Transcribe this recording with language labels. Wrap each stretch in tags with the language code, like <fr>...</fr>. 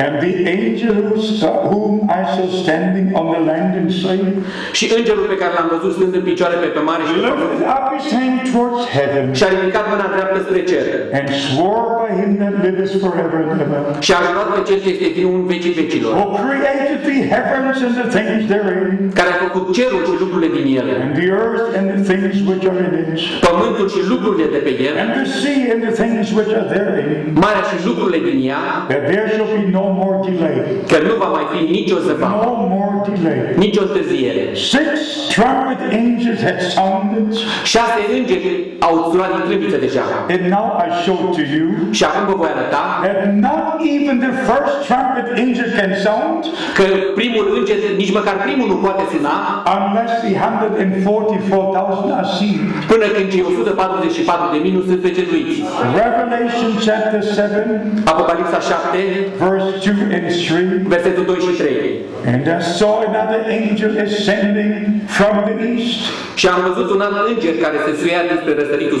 <en>And the angel whom I saw standing on the land and saying.</en> <ro>Și îngerul pe care l-am văzut stând în picioare pe mare și pe pământ. Și a ridicat mâna dreaptă spre cer.</ro> <en>And swore by him that liveth forever and ever.</en> <ro>Și a jurat pe cel ce este fiul în vecii vecilor.</ro> <en>Who created the heavens and the things therein.</en> <ro>Care a făcut cerul și lucrurile din ele.</ro> <en>And the earth and the things which are in it.</en> <ro>Pământul și lucrurile de pe el.</ro> <en>And the sea and the things which are therein.</en> <ro>Marea și lucrurile din ea.</ro> <en>That there shall be no more delay.</en> <ro>Că nu va mai fi nicio zăpadă.</ro> <en>No more delay.</en> <ro>Nicio întârziere.</ro> <en>Six trumpet angels had sounded.</en> <ro>Șase îngeri au sunat din trâmbiță deja.</ro> <en>And now I show to you.</en> <ro>Și acum vă voi arăta.</ro> <en>That not even the first trumpet angel can sound.</en> <ro>Că primul înger, nici măcar primul nu poate suna.</ro> <en>Unless the 144,000 are sealed.</en> <ro>Până când cei 144,000 nu sunt pecetuiți.</ro> <en>Revelation chapter 7.</en> <ro>Apocalipsa 7.</ro> <en>Verse</en> <ro>Versetul 2 și 3.</ro> <en>And I saw another angel ascending from the east.</en> <ro>Și am văzut un alt înger care se suia dinspre răsăritul</ro>